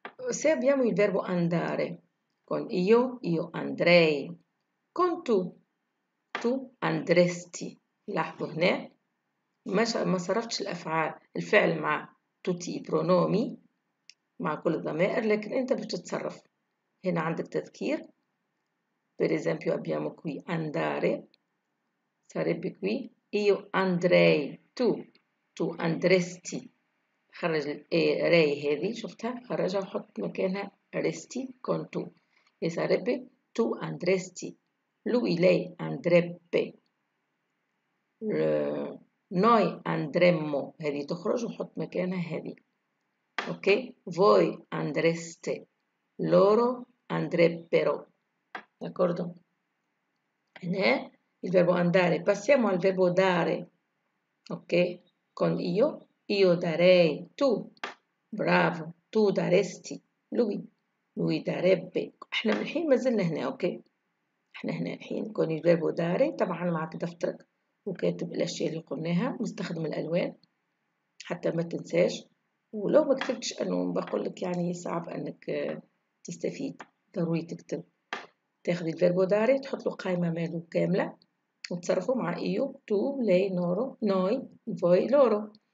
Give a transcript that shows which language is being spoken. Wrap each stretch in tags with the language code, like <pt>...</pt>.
<it>se abbiamo il verbo andare con io andrei con tu andresti</it> <ar>لاحظوا هنا ما صرفتش الأفعال الفعل مع</ar> <it>tutti i pronomi,</it> <ar>مع كل الضمائر, لكن انت بتتصرف. هنا عندك تذكير.</ar> <it>Per esempio abbiamo qui andare, sarebbe qui io andrei, tu andresti.</it> <ar>خرج الري هذه, شفتها؟ خرجها وحط مكانها</ar> <it>resti con tu. E sarebbe tu andresti, lui, lei andrebbe. Noi andremmo,</it> <ar>هذه تخرج وحط مكانها هذه. Ok?</ar> <it>Voi andreste, loro andrebbero. D'accordo? Il verbo andare. Passiamo al verbo dare. Ok? Con io darei, tu. Bravo, tu daresti, lui darebbe.</it> <ar>احنا الحين ما زلنا هنا, ok? احنا هنا الحين</ar> <it>con il verbo dare,</it> <ar>طبعا معك دفترك. وكاتب الأشياء اللي قلناها مستخدم الألوان حتى ما تنساش ولو ما كتبتش أنه بقول لك يعني صعب أنك تستفيد ضروري تكتب تاخد الفيربو داري تحط له قائمة ماله كاملة وتصرفه مع</ar> <it>إيو تو لي نورو نوي فوي لورو</it>